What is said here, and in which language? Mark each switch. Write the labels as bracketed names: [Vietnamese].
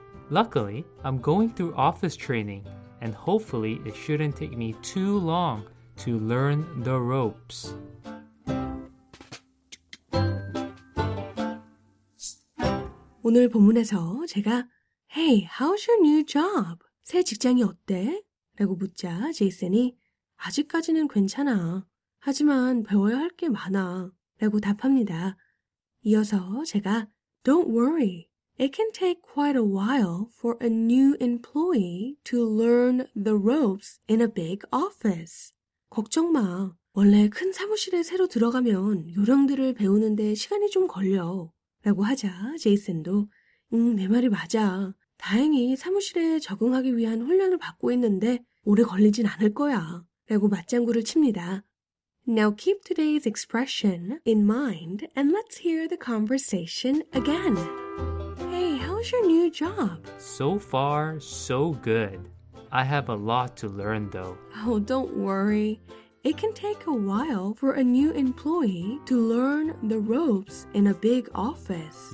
[English] Luckily, I'm going through office training. And hopefully, it shouldn't take me too long to learn the ropes. [Korean] 오늘 본문에서 제가 [English] Hey, how's your new job? [Korean] 새 직장이 어때? 라고 묻자 제이슨이 아직까지는 괜찮아. 하지만 배워야 할 게 많아. 라고 답합니다. 이어서 제가 [English] Don't worry. It can take quite a while for a new employee to learn the ropes in a big office. [Korean] 걱정 마. 원래 큰 사무실에 새로 들어가면 요령들을 배우는데 시간이 좀 걸려. 라고 하자 제이슨도 내 말이 맞아. 다행히 사무실에 적응하기 위한 훈련을 받고 있는데 오래 걸리진 않을 거야. 라고 맞장구를 칩니다. [English] Now keep today's expression in mind and let's hear the conversation again. Hey, how's your new job? So far, so good. I have a lot to learn, though. Oh, don't worry. It can take a while for a new employee to learn the ropes in a big office.